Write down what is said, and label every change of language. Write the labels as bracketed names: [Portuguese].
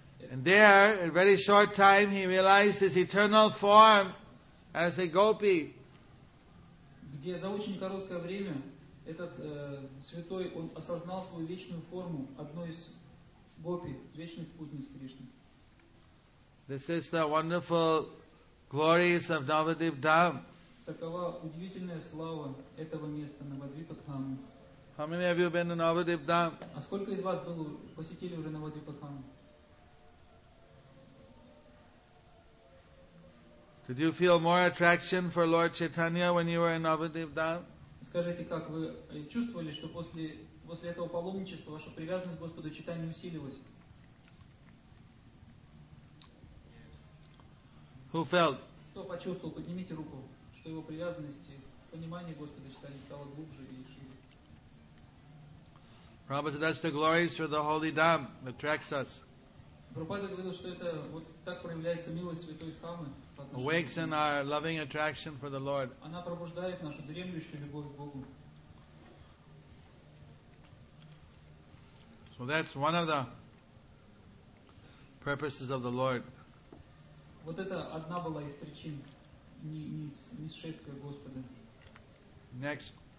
[English] And there, in a very short time, he realized his eternal form as a gopi. [Russian] Где за очень короткое время этот святой он осознал свою вечную форму одной из гопи, вечных спутниц Кришны. [English] This is the wonderful glories of Navadvip Dham. [Russian] Такова удивительная слава этого места Навадвипа Дхамы. [English] How many of you been to Navadvip Dham? [Russian] А сколько из вас было посетили уже Навадвипа Дхаму? [English] Did you feel more attraction for Lord Chaitanya when you were in Navadvip Dham? [Russian] Скажите, как вы чувствовали, что после этого паломничества ваша привязанность к Господу Чайтанье усилилась? [English] Who felt? [Russian] Кто почувствовал? Поднимите руку, что его привязанность и понимание Господа Чайтанье стало глубже и шире. [English] Prabhupada said, that's the glories of the holy Dham that attracts us. [Russian] Прабхупада говорил, что это вот так проявляется милость святой Дхамы. [English] Awakes in our loving attraction for the Lord. [Russian] Она пробуждает нашу дремлющую любовь к Богу. [English] So that's one of the purposes of the Lord. [Russian] Вот это одна была из причин нисшествия Господа. [English] Next.